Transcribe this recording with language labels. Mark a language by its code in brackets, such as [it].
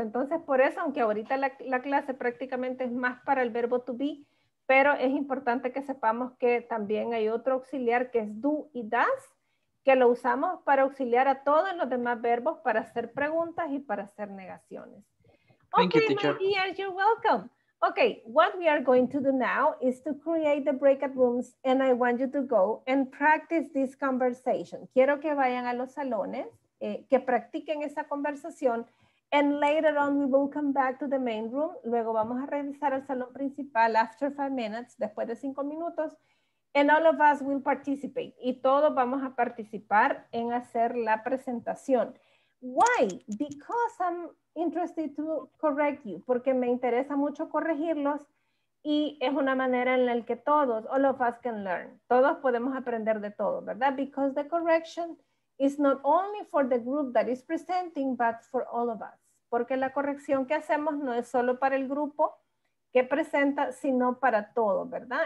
[es] Entonces, por eso, aunque ahorita la clase prácticamente es más para el verbo to be, pero es importante que sepamos que también hay otro auxiliar que es do y does, que lo usamos para auxiliar a todos los demás verbos para hacer preguntas y para hacer negaciones. [en] Thank you, teacher. My dear, you're welcome. Okay, what we are going to do now is to create the breakout rooms and I want you to go and practice this conversation. [es] Quiero que vayan a los salones, que practiquen esa conversación [en] and later on we will come back to the main room. [es] Luego vamos a regresar al salón principal [en] after 5 minutes, [es] después de 5 minutos. [en] And all of us will participate. [es] Y todos vamos a participar en hacer la presentación. [en] Why? Because I'm interested to correct you. [es] Porque me interesa mucho corregirlos. Y es una manera en la que todos, [en] all of us can learn. [es] Todos podemos aprender de todo, ¿verdad? [en] Because the correction is not only for the group that is presenting, but for all of us. [es] Porque la corrección que hacemos no es solo para el grupo que presenta, sino para todo, ¿verdad?